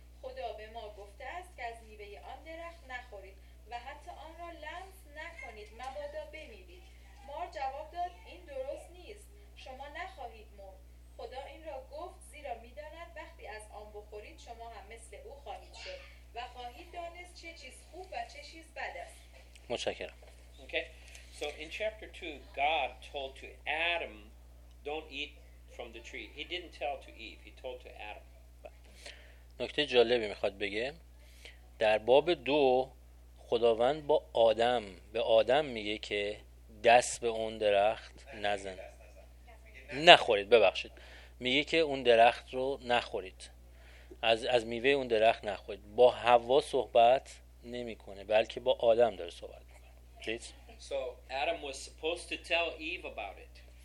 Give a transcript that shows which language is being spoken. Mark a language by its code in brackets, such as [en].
[fa] خدا به ما گفته است که از میوه آن درخت نخورید و حتی آن را لمس نکنید، مبادا بمیرید. مار جواب داد این درست نیست، شما نخواهید مرد. خدا این را گفت زیرا میداند وقتی از آن بخورید شما هم مثل او خواهید شد و خواهید دانست چه چیز خوب و چه چیز بد است. متشکرم. [en] Okay. So in chapter 2 God told to Adam don't eat from the tree. He didn't tell to Eve, he told to Adam. [fa] نکته جالبی میخواد بگه. در باب دو خداوند با آدم به آدم میگه که دست به اون درخت نزن. نخورید، ببخشید. میگه که اون درخت رو نخورید. از میوه اون درخت نخورید. با حوا صحبت نمیکنه، بلکه با آدم داره صحبت میکنه. [en] So Adam was supposed to tell Eve about it.